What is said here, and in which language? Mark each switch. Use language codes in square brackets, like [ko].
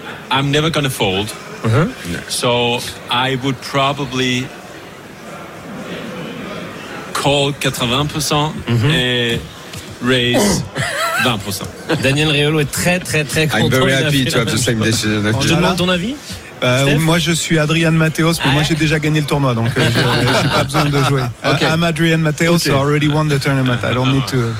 [en] I'm never going to fold. Uh-huh. So I would probably call 80% and raise 20%. [fr] Daniel Riolo est très, très, très content. [en] I'm very happy to have the same decision. [fr] Je demande ton avis. Moi, je suis Adrian Mateos, mais moi, j'ai déjà gagné le tournoi, donc je n'ai pas besoin de jouer. [en] Okay. I'm Adrian Mateos, okay. So I already won the tournament. I don't need to.